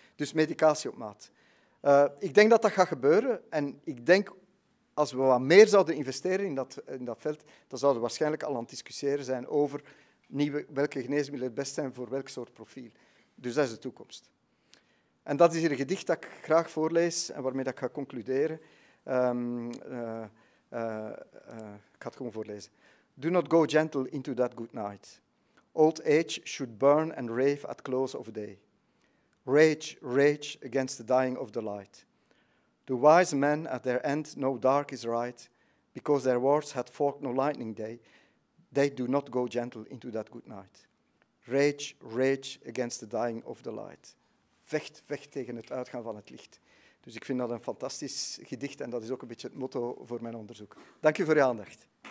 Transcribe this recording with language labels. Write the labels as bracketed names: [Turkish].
[Dutch] Dus medicatie op maat. Ik denk dat dat gaat gebeuren en ik denk als we wat meer zouden investeren in dat veld, dan zouden we waarschijnlijk al aan het discussiëren zijn over welke geneesmiddelen het best zijn voor welk soort profiel. Dus dat is de toekomst. En dat is hier een gedicht dat ik graag voorlees en waarmee dat ik ga concluderen. Ik ga het gewoon voorlezen. [English] Do not go gentle into that good night. Old age should burn and rave at close of day. Rage, rage against the dying of the light. The wise men at their end know dark is right, because their words had forked no lightning day. They do not go gentle into that good night. Rage, rage against the dying of the light. [Dutch] Vecht, vecht tegen het uitgaan van het licht. Dus ik vind dat een fantastisch gedicht en dat is ook een beetje het motto voor mijn onderzoek. Dank u voor uw aandacht.